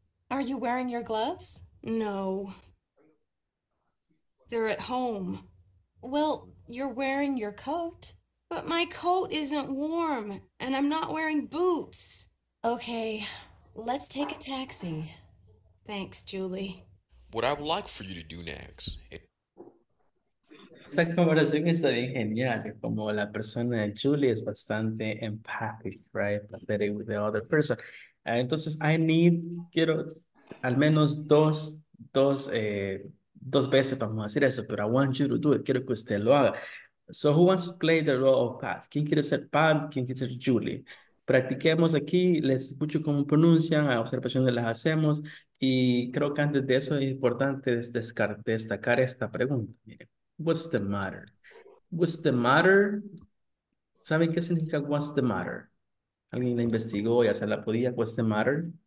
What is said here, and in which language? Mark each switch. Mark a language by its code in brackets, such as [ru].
[en] Are you wearing your gloves? No, they're at home. Well, you're wearing your coat. But my coat isn't warm, and I'm not wearing boots. Okay, let's take a taxi. Thanks, Julie. What I would like for you to do next. [es] Esta conversación está bien genial, como la persona de Julie es bastante empathic, right? [en] Empathetic with the other person. [es] Entonces, quiero al menos dos veces vamos a hacer eso, pero [en] I want you to do it. [es] Quiero que usted lo haga. [en] So, who wants to play the role of Pat? [es] ¿Quién quiere ser Pat? ¿Quién quiere ser Julie? Practiquemos aquí, les escucho cómo pronuncian, a observaciones las hacemos, y creo que antes de eso es importante destacar esta pregunta. [en] Miren, what's the matter? What's the matter? [es] ¿Saben qué significa [en] what's the matter? [es] ¿Alguien la investigó? ¿Ya se la podía? [en] What's the matter?